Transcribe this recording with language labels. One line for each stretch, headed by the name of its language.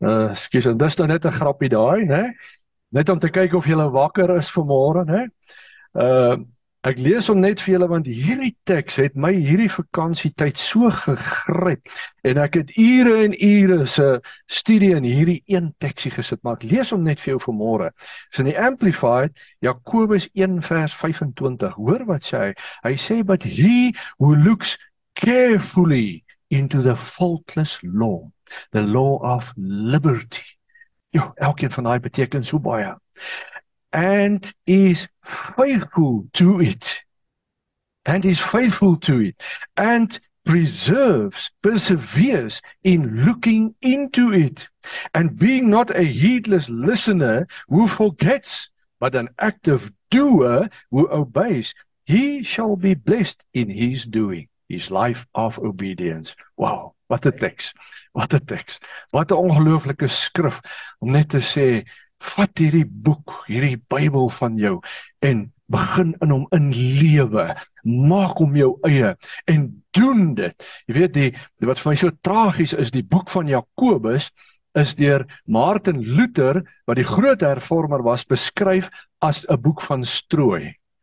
Afrikaans: Excuse, en dis nou net 'n grapie daai, ne? Net om te kyk of julle wakker is vanmôre, ne? Ek lees hom net vir julle, want hierdie teks het my hierdie vakansietyd so gegryp, en ek het ure en ure se studie in hierdie een teksie gesit, maar ek lees hom net vir jou vanmôre. So in die Amplified, Jakobus 1 vers 25, hoor wat sê hy, hy sê,
English: but he who looks carefully into the faultless law, the law of liberty,
Afrikaans: jo, elkeen van hy beteken so baie,
English: and is faithful to it, and is faithful to it, and preserves, perseveres in looking into it, and being not a heedless listener who forgets, but an active doer who obeys, he shall be blessed in his doing, his life of obedience.
Afrikaans: Wow, wat 'n teks, wat 'n teks, wat 'n ongelooflike skrif, om net te sê, vat hierdie boek, hierdie Bybel van jou, en begin in hom in lewe, maak hom jou eie, en doen dit. Jy weet, die wat vir my so tragies is, die boek van Jakobus, is deur Martin Luther, wat die groot hervormer was, beskryf as 'n boek van strooi.